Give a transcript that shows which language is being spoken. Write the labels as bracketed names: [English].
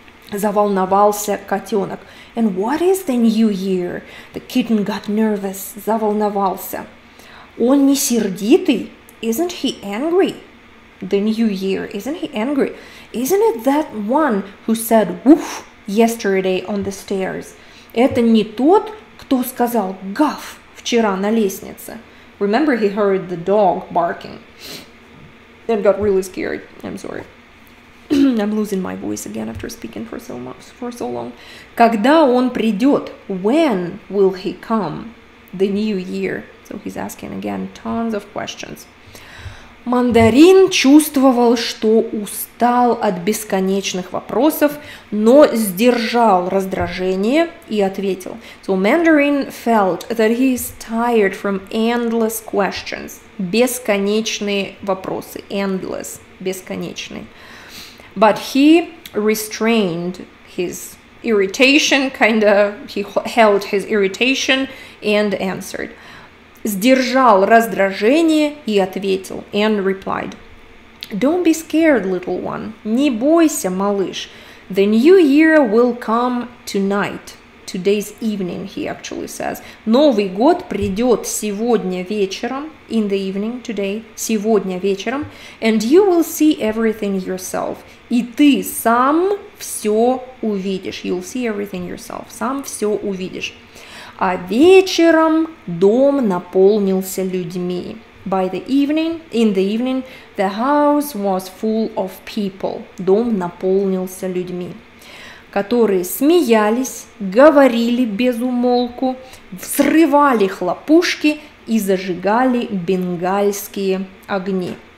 [Russian] Заволновался котенок. [English] And what is the new year? The kitten got nervous. [Russian] Заволновался. Он не сердитый? [English] Isn't he angry? The new year. Isn't he angry? Isn't it that one who said woof yesterday on the stairs? [Russian] Это не тот, кто сказал гав вчера на лестнице. [English] Remember he heard the dog barking and got really scared. I'm sorry. I'm losing my voice again after speaking for so long. [Russian] Когда он придет? [English] When will he come? The new year. So he's asking again tons of questions. [Russian] Мандарин чувствовал, что устал от бесконечных вопросов, но сдержал раздражение и ответил. [English] So Mandarin felt that he is tired from endless questions. [Russian] Бесконечные вопросы. [English] Endless. [Russian] Бесконечные. [English] But he restrained his irritation, kinda, he held his irritation and answered. [Russian] Сдержал раздражение и ответил, [English] and replied. Don't be scared, little one. [Russian] Не бойся, малыш. [English] The new year will come tonight. Today's evening, he actually says. [Russian] Новый год придет сегодня вечером, [English] in the evening, today, [Russian] сегодня вечером, [English] and you will see everything yourself. [Russian] И ты сам все увидишь. [English] You'll see everything yourself. [Russian] Сам все увидишь. А вечером дом наполнился людьми. [English] By the evening, in the evening, the house was full of people. [Russian] Дом наполнился людьми, которые смеялись, говорили без умолку, срывали хлопушки и зажигали бенгальские огни.